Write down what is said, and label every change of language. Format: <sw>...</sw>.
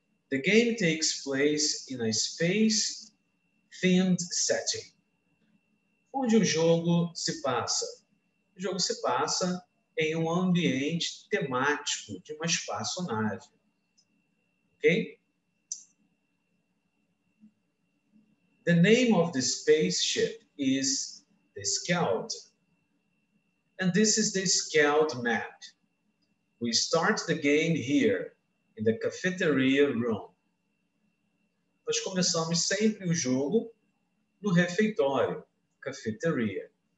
<en>The game takes place in a space-themed setting.</en> <pt>Onde o jogo se passa? O jogo se passa em ambiente temático de uma espaçonave. Ok?</pt> <en>The name of the spaceship is the Scout. And this is the Scout map. We start the game here, in the cafeteria room.</en> <pt>Nós começamos sempre o jogo no refeitório, cafeteria.</pt>